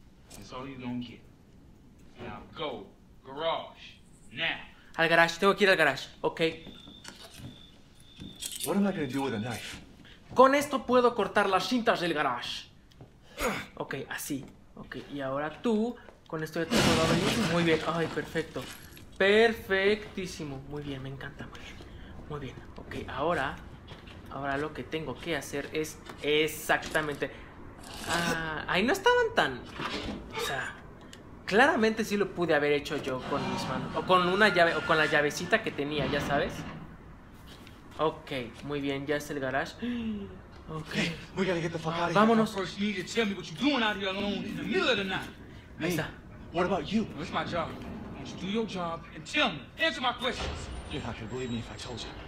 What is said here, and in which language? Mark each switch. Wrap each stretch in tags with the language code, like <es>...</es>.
<en>That's all you're gonna get. Now go. Garage. Now.</en> <es>Al garage. Tengo que ir al garage. Okay.</es> <en>What am I gonna do with a knife?</en> <es>Con esto puedo cortar las cintas del garage. Okay, así. Okay, y ahora tú. Con esto ya te puedo abrir. Muy bien. Ay, perfecto. Perfectísimo. Muy bien, me encanta. Muy bien. Ok, ahora. Ahora lo que tengo que hacer es exactamente. Ah, ahí no estaban tan. O sea. Claramente sí lo pude haber hecho yo con mis manos. O con una llave. O con la llavecita que tenía, ya sabes. Ok, muy bien, ya es el garage. Ok.</es> <en>Hey, we gotta get the fuck out of</en> <es>vámonos. Vámonos.</es> <en>First, you need to tell me what you're doing out here alone in the middle of the night.</en> <es>Hey, ahí está.</es> <en>What about you? It's my job. Why don't you do your job and tell me. Answer my questions. You're not gonna believe me if I told you.</en>